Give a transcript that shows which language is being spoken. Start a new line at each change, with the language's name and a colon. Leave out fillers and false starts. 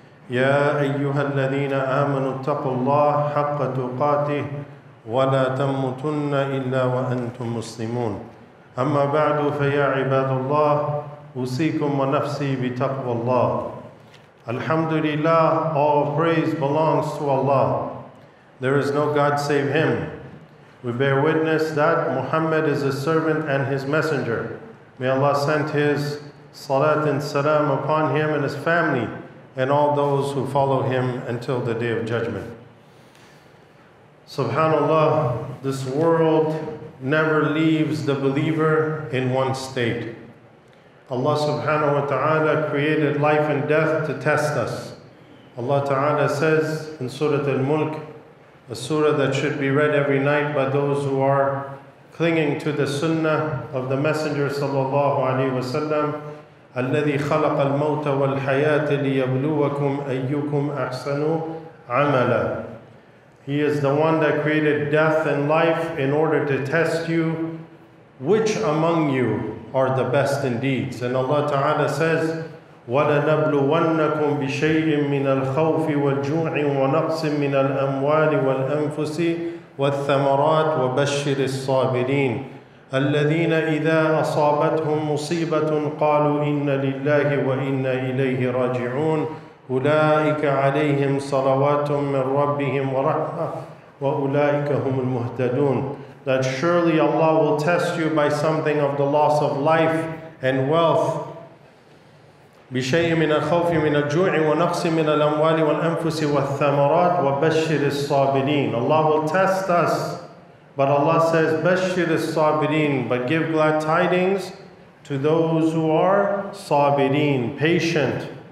Arabic: يا أيها الذين آمنوا اتقوا الله حق تقاته ولا تموتن إلا وأنتم مسلمون أما بعد فيا عباد الله أوصيكم ونفسي بتقوى الله الحمد لله
English: all praise belongs to Allah. There is no God save Him. We bear witness that Muhammad is His servant and His messenger. May Allah send His salat and salam upon him and his family and all those who follow him until the day of judgment. Subhanallah, this world never leaves the believer in one state. Allah subhanahu wa ta'ala created life and death to test us. Allah ta'ala says in Surah Al-Mulk, a surah that should be read every night by those who are clinging to the sunnah of the Messenger sallallahu alayhi wa sallam,
Arabic: الَّذِي خَلَقَ الْمَوْتَ وَالْحَيَاةِ لِيَبْلُوَكُمْ أَيُّكُمْ أَحْسَنُوا عَمَلًا.
English: He is the one that created death and life in order to test you, which among you are the best in deeds. And Allah Ta'ala says,
Arabic: وَلَنَبْلُوَنَّكُمْ بِشَيْءٍ مِّنَ الْخَوْفِ وَالْجُوعِ وَنَقْصٍ مِّنَ الْأَمْوَالِ وَالْأَنفُسِ وَالثَّمَرَاتِ وَبَشِّرِ الصَّابِرِينَ الَّذِينَ إِذَا أَصَابَتْهُمْ مُصِيبَةٌ قَالُوا إِنَّ لِلَّهِ وَإِنَّ إِلَيْهِ رَاجِعُونَ أُولَئِكَ عَلَيْهِمْ صَلَوَاتٌ مِّن رَّبِّهِمْ وَرَحْمَةٌ وَأُولَئِكَ هُمُ الْمُهْتَدُونَ.
English: That surely Allah will test you by something of the loss of life and wealth.
Arabic: بِشَيْءٍ مِّنَ الْخَوْفِ مِّنَ الْجُوعِ وَنَقْصٍ مِّنَ الْأَمْوَالِ وَالْأَنفُسِ وَالثَّمَرَاتِ وَبَشِّرِ الصَّابِرِينَ.
English: Allah will test us. But Allah says,
Arabic: بَشِّرِ الصَّابِرِينَ,
English: but give glad tidings to those who are صَابِرِينَ, patient.